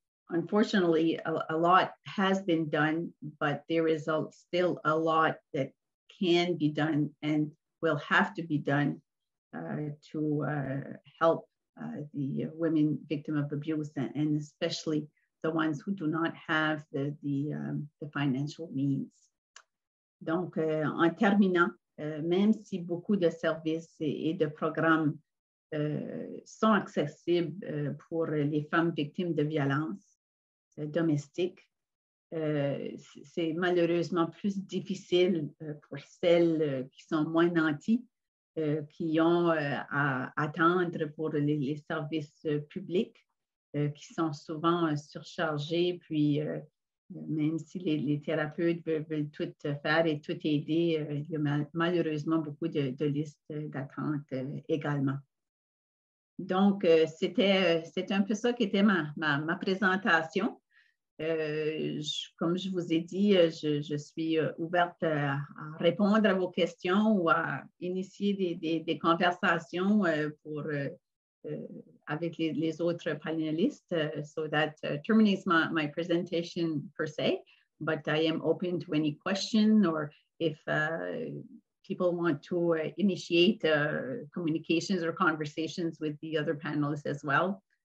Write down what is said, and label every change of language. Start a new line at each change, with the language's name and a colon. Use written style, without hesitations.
English: Unfortunately, a lot has been done, but there is still a lot that can be done and will have to be done to help the women victim of abuse and especially the ones who do not have the financial means.
French: Donc, en terminant, même si beaucoup de services et de programmes sont accessibles pour les femmes victimes de violences domestiques, c'est malheureusement plus difficile pour celles qui sont moins nanties, qui ont à attendre pour les services publics, qui sont souvent surchargés, puis même si les thérapeutes veulent tout faire et tout aider, il y a malheureusement beaucoup de listes d'attente également. Donc, c'était un peu ça qui était ma présentation. Comme je vous ai dit, je suis ouverte à répondre à vos questions ou à initier des conversations pour avec les autres panélistes.
English: So that terminates my presentation per se, but I am open to any question or if people want to initiate communications or conversations with the other panelists as well.